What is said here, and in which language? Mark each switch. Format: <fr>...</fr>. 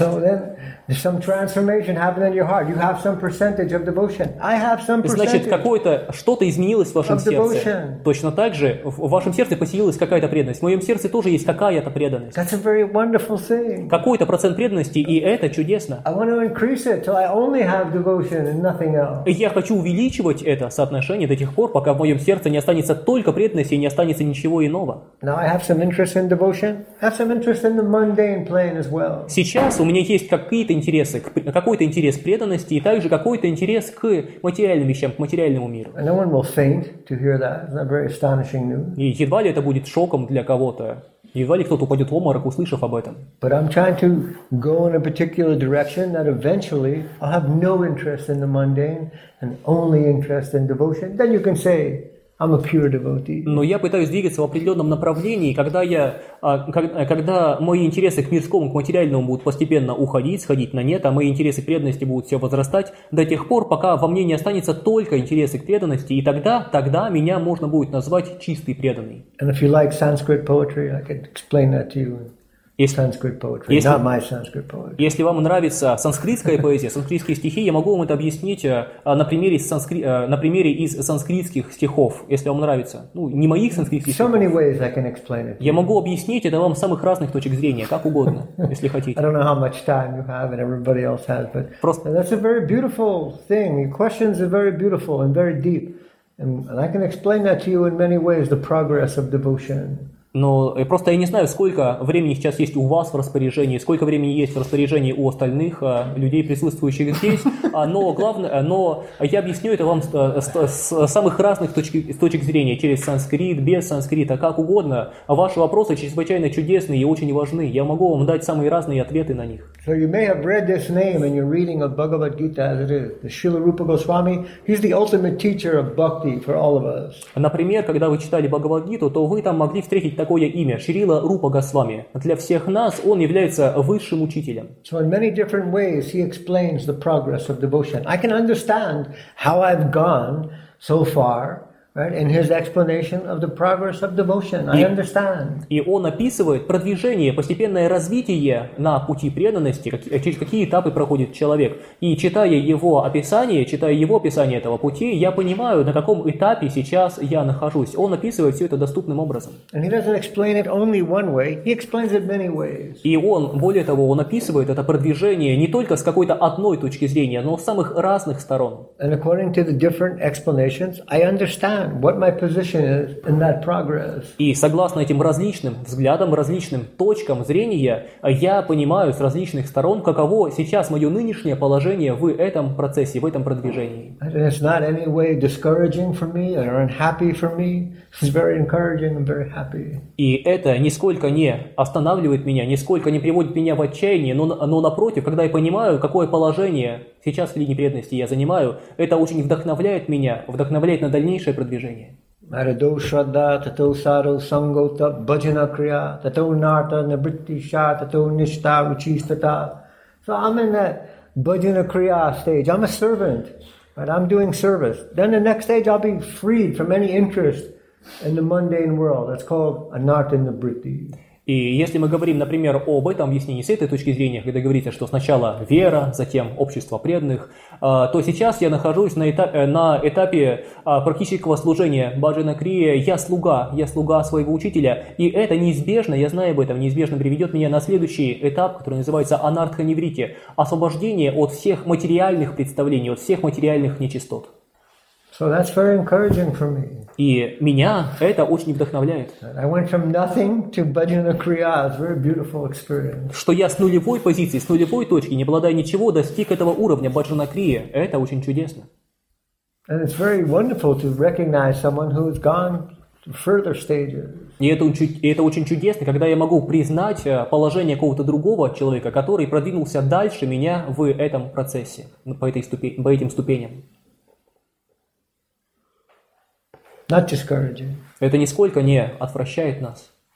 <en>So then, some transformation happened in your heart. You have some percentage of devotion. I have some percentage.</en> <ru>Значит, какое-то что-то изменилось в вашем сердце. Точно так же в вашем сердце поселилась какая-то преданность. В моем сердце тоже есть какая-то преданность.</ru> <en>That's a very wonderful thing.</en> <ru>Какой-то процент преданности, и это чудесно.</ru> <en>I want to increase it till I only have devotion and nothing else.</en> <ru>Я хочу увеличивать это соотношение до тех пор, пока в моем сердце не останется только преданность и не останется ничего иного.</ru> <en>Now I have some interest in devotion. I have some interest in the mundane plane as well.</en> <ru>Сейчас у меня есть какой-то интерес к преданности и также какой-то интерес к материальным вещам, к материальному миру.</ru> <en>No one will faint to hear that. It's not very astonishing news.</en> <ru>И едва ли это будет шоком для кого-то. Едва ли кто-то упадет в обморок, услышав об этом.</ru> <en>But I'm trying to go in a particular direction that eventually I'll have no interest in the mundane and only interest in devotion. Then you can say I'm a pure devotee.</en> <ru>Но я пытаюсь двигаться в определенном направлении, когда мои интересы к мирскому, к материальному будут постепенно уходить, сходить на нет, а мои интересы к преданности будут все возрастать до тех пор, пока во мне не останется только интересы к преданности, и тогда меня можно будет назвать чистый преданный.</ru> <en>And if you like Sanskrit poetry, I could explain that to you. Sanskrit poetry, not my Sanskrit poetry.</en> <ru>Если вам нравится санскритская поэзия, санскритские стихи, я могу вам это объяснить на примере из санскритских стихов, если вам нравится. Ну, не моих санскритских стихов.</ru> <en>So many ways I can explain it.</en> <ru>Я могу объяснить это вам с самых разных точек зрения, как угодно, если хотите.</ru> <en>I don't know how much time you have and everybody else has, but</en> <ru>просто</ru> <en>that's a very beautiful thing. Your questions are very beautiful and very deep. And I can explain that to you in many ways, the progress of devotion.</en> <ru>Но просто я не знаю, сколько времени сейчас есть у вас в распоряжении, сколько времени есть в распоряжении у остальных людей, присутствующих здесь. Но главное, но я объясню это вам с самых разных точек зрения, через санскрит, без санскрита, как угодно. Ваши вопросы чрезвычайно чудесные и очень важны. Я могу вам дать самые разные ответы на них.</ru> <en>So you may have read this name in your reading of Bhagavad Gita as it is. The Srila Rupa Goswami, he's the ultimate teacher of bhakti for all of us.</en> <ru>Например, когда вы читали Бхагавад Гиту, то вы там могли встретить такое имя, Шрила Рупа Госвами. Для всех нас он является высшим учителем. So in many different ways he explains the progress of devotion. I can understand how I've gone so far Right? In his explanation of the progress of devotion, I understand. И он описывает продвижение, постепенное развитие на пути преданности, через какие этапы проходит человек. И читая его описание, этого пути, я понимаю, на каком этапе сейчас я нахожусь. Он описывает все это доступным образом.</ru> <en>And he doesn't explain it only one way, he explains it many ways.</en> <ru>И он, более того, он описывает это продвижение не только с какой-то одной точки зрения, но с самых разных сторон.</ru> <en>And according to the different explanations, I understand. What my position is in that progress.</en> <ru>И согласно этим различным взглядам, различным точкам зрения, я понимаю с различных сторон, каково сейчас мое нынешнее положение в этом процессе, в этом продвижении.</ru> <en>It's not any way discouraging for me or unhappy for me. It's very encouraging and very happy.</en> <ru>И это нисколько не останавливает меня, нисколько не приводит меня в отчаяние, но напротив, когда я понимаю, какое положение сейчас в линии преданности я занимаю, это очень вдохновляет меня, вдохновляет на дальнейшее продвижение. Марадо Шрадда, Тато Саро, Сангота, Баджана Крия, Тато Нарта, Набритти Ша, Тато Ништа, Ручистата.</ru> <en>So I'm in that Баджана Крия stage. I'm a servant, but I'm doing service. Then the next stage I'll be freed from any interest in the mundane world. That's called Anarta Nibritti.</en> <ru>И если мы говорим, например, об этом объяснении с этой точки зрения, когда говорите, что сначала вера, затем общество преданных, то сейчас я нахожусь на этапе практического служения Баджана Крия. Я слуга своего учителя. И это неизбежно, я знаю об этом, неизбежно приведет меня на следующий этап, который называется Анартха Нивритти, освобождение от всех материальных представлений, от всех материальных нечистот.</ru> <en>So that's very encouraging for me.</en> <ru>И меня это очень вдохновляет.</ru> <en>I went from nothing to Bhajana Kriya. It's a very beautiful experience.</en> <ru>Что я с нулевой позиции, с нулевой точки, не обладая ничего, достиг этого уровня Bhajana Kriya. Это очень чудесно.</ru> <en>And it's very wonderful to recognize someone who has gone to further stages.</en> <ru>И это очень чудесно, когда я могу признать положение какого-то другого человека, который продвинулся дальше меня в этом процессе, по этим ступеням.</ru> <en>Not discouraging.</en> <ru>Это нисколько не отвращает нас.</ru>